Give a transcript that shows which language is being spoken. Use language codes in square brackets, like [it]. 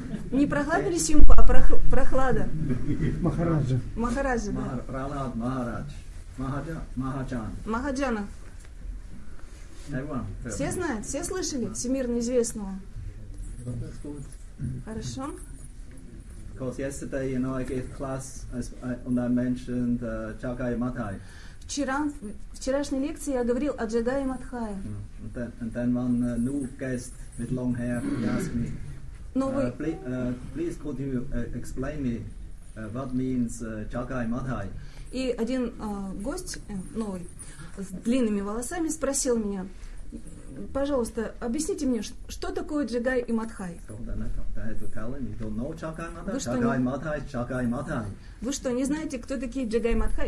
[ru] Не Прохлад Нарисимха, а Прохлада. Махараджа. Махараджа, да. Прохлад Махарадж. Махаджан. Махаджана. [en] Everyone. [ru] Все знают, все слышали всемирно известного. Хорошо. [en] Because yesterday, you know, I gave class and I mentioned Chagai Matai. [ru] Вчерашней лекции я говорил о Джагае Матхае. [en] And then one new guest with long hair, he asked me, Please could you explain me what means Chagai Madhai? [ru] И один гость новый с длинными волосами спросил меня: пожалуйста, объясните мне, что такое Джагай и Мадхай? Вы что, не знаете, кто такие Джагай и Мадхай?